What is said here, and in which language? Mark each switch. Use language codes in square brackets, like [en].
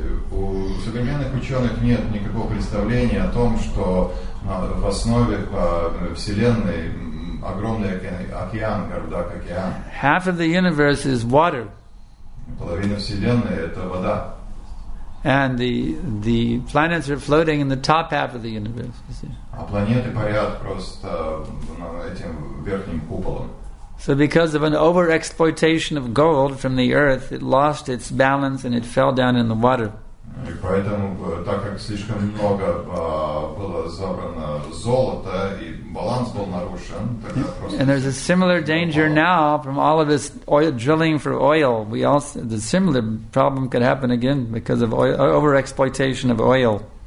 [ru] У современных ученых нет никакого представления о том, что в основе Вселенной огромный океан, Гарудак океан. [en] Half of the universe is water. [ru] Половина Вселенной — это вода. [en] And the planets are floating in the top half of the universe. [ru] А планеты парят просто этим верхним куполом. [en] So because of an over-exploitation of gold from the earth, it lost its balance and it fell down in the water. [ru] И поэтому, так как слишком много было забрано золота, и баланс был нарушен, тогда просто... [en] And there's a similar danger now from all of this drilling for oil. We also, the similar problem could happen again because of over-exploitation of oil.